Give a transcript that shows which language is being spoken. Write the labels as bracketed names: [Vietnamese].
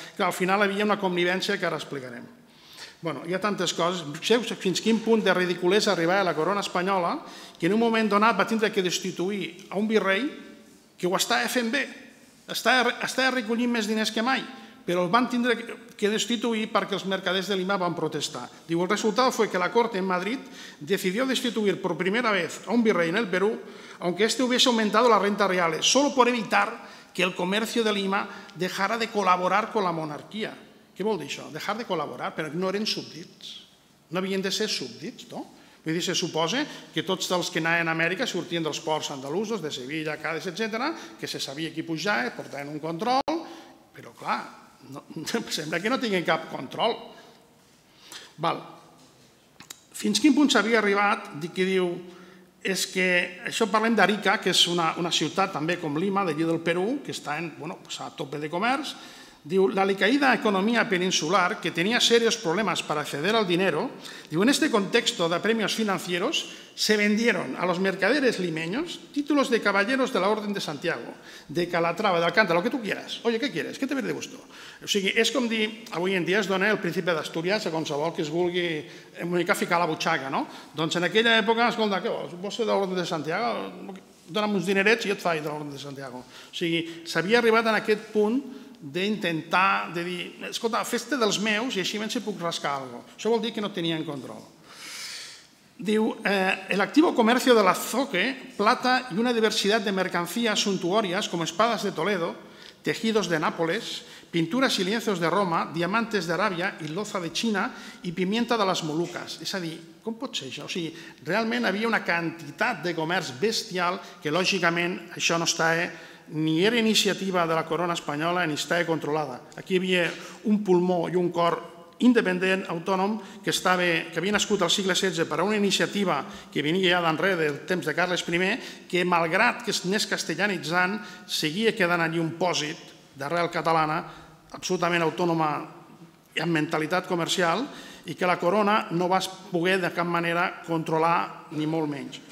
[Catalan] Al final hi havia una connivència que ara explicarem. Bé, hi ha tantes coses. Veus fins quin punt de ridiculesa arribava la corona espanyola que en un moment donat va tindre que destituir a un virrei que ho estava fent bé, estava recollint més diners que mai, però el van tindre que destituir perquè els mercaders de Lima van protestar. [Spanish] Diu, [Catalan] el resultat [Spanish] fue que la Corte en Madrid decidió destituir por primera vez a un virrey en el Perú, aunque este hubiese aumentado las rentas reales, solo por evitar que el comercio de Lima dejara de colaborar con la monarquía. [Catalan] Què vol dir això? Dejar de col·laborar, però no eren súbdits. No havien de ser súbdits, no? Vull dir, se suposa que tots els que anaven a Amèrica sortien dels ports andalusos, de Sevilla, Cádiz, etc., que se sabia qui pujava, portaven un control, però clar, no, sembla que no tinguin cap control. Val. Fins quin punt s'havia arribat, dic que diu, és que això parlem d'Arica, que és una ciutat també com Lima, d'allí del Perú, que està en, bueno, pues a tope de comerç. [Spanish] Diu, la alicaída economía peninsular, que tenía serios problemas para acceder al dinero, diu, en este contexto de apremios financieros, se vendieron a los mercaderes limeños títulos de caballeros de la Orden de Santiago, de Calatrava, de Alcántara, lo que tú quieras. Oye, ¿qué quieres? ¿Qué te ve de gusto? [Catalan] O sigui, és com dir, avui en dia es dona el príncipe d'Astúries a qualsevol que es vulgui una mica ficar a la butxaca, no? Doncs en aquella època, escolta, què vols? Vols ser de l'Orden de Santiago? Dóna'm uns dinerets i et faig de l'Orden de Santiago. O sigui, s'havia arribat a aquest punt d'intentar, de dir, escolta, fes-te dels meus i així m'hi puc rascar alguna cosa. Això vol dir que no tenien control. [Spanish] Diu, el activo comercio de la Zoque, plata y una diversidad de mercancías suntuarias como espadas de Toledo, tejidos de Nápoles, pinturas y lienzos de Roma, diamantes de Arabia y loza de China y pimienta de las Molucas. [Catalan] És a dir, com pot ser això? O sigui, realment havia una quantitat de comerç bestial que lògicament això no està... ni era iniciativa de la corona espanyola ni estava controlada. Aquí hi havia un pulmó i un cor independent, autònom, que havia nascut al segle XVI per a una iniciativa que venia ja d'enrere del temps de Carles I, que malgrat que anés castellanitzant, seguia quedant allí un pòsit d'arrel catalana, absolutament autònoma i amb mentalitat comercial, i que la corona no va poder de cap manera controlar ni molt menys.